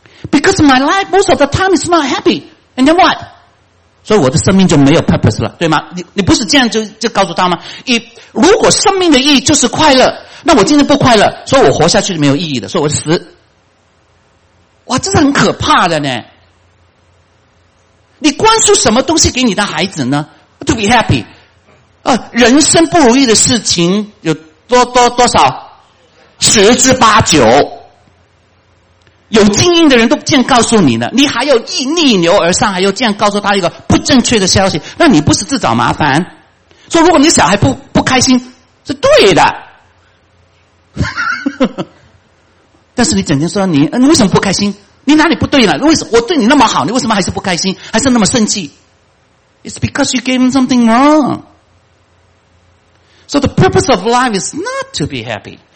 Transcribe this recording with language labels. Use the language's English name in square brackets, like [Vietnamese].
[English] Because my life most of the time is not happy and then what？ [Chinese] 所以我的生命就没有 purpose 了，对吗？你不是这样 就告诉他吗？如果生命的意义就是快乐，那我今天不快乐，所以我活下去是没有意义的，所以我死。哇，这是很可怕的呢。你灌输什么东西给你的孩子呢？ [English] To be happy。 [Chinese] 人生不如意的事情有多少？十之八九。有精英的人都这样告诉你呢，你还要逆流而上，还要这样告诉他一个不正确的消息，那你不是自找麻烦？说如果你小孩不开心是对的。但是你整天说你为什么不开心？你哪里不对了？为什么我对你那么好，你为什么还是不开心，还是那么生气？ [English] It's because you gave him something wrong. So the purpose of life is not to be happy.